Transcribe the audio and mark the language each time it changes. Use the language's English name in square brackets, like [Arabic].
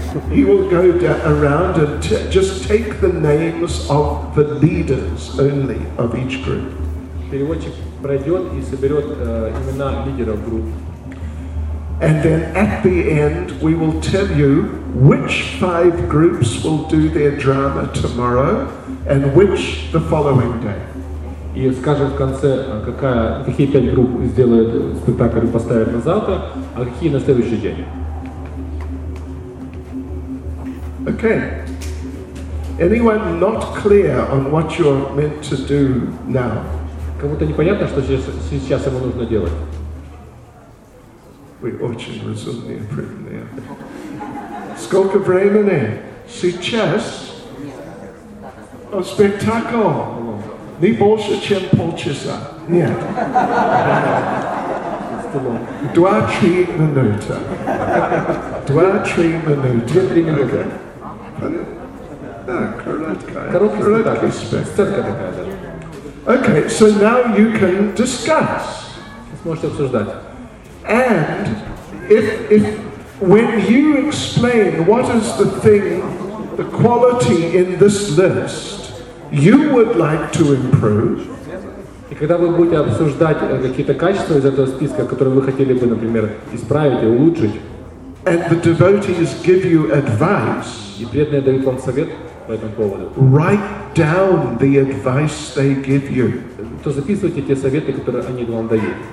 [English] He will go around and just take the names of the leaders only of each group. [Russian] Переводчик пройдет и соберет имена лидеров групп. [English] And then at the end, we will tell you which five groups will do their drama tomorrow and which the following day. [Russian] И скажем в конце, какие пять групп сделают спектакль и поставят на завтра, а какие на следующий день. [English] Okay. Anyone not clear on what you're meant to do now? [Russian] Кому-то непонятно, что сейчас ему нужно делать? [English] We [Russian] очень разумные приняли. Сколько времени? Сейчас? О, спектакль! Не больше, чем полчаса. Нет. 2-3 минуты. 2-3 минуты. 2-3 минуты. Okay. Короткий спектакль. [English] Okay, so now you can discuss. [Russian] Сможете обсуждать. [English] And if when you explain what is the thing, the quality in this list you would like to improve. [Russian] И когда вы будете обсуждать какие-то качества из этого списка, которые вы хотели бы, например, исправить и улучшить. [English] And the devotees give you advice. [Russian] И преданные дают вам совет по этому поводу. [English] Write down the advice they give you. [Russian] То записывайте те советы, которые они вам дают.